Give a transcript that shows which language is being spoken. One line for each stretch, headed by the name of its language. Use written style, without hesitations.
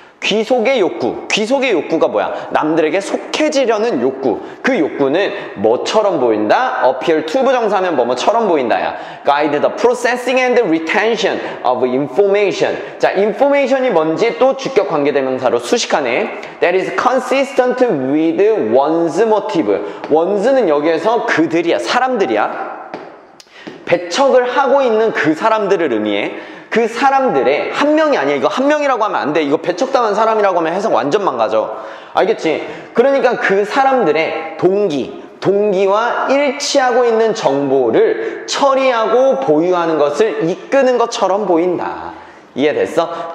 Korean: 귀속의 욕구. 귀속의 욕구가 뭐야? 남들에게 속해지려는 욕구. 그 욕구는 뭐처럼 보인다?
English: appear to
Korean: 부정사면 뭐뭐처럼 보인다야.
English: guide the processing and retention of information.
Korean: 자, information이 뭔지 또 주격 관계대명사로 수식하네.
English: that is consistent with one's motive.
Korean: one's는 여기에서 그들이야, 사람들이야. 배척을 하고 있는 그 사람들을 의미해. 그 사람들의, 한 명이 아니야. 이거 한 명이라고 하면 안 돼. 이거 배척당한 사람이라고 하면 해석 완전 망가져. 알겠지? 그러니까 그 사람들의 동기와 일치하고 있는 정보를 처리하고 보유하는 것을 이끄는 것처럼 보인다. 이해됐어?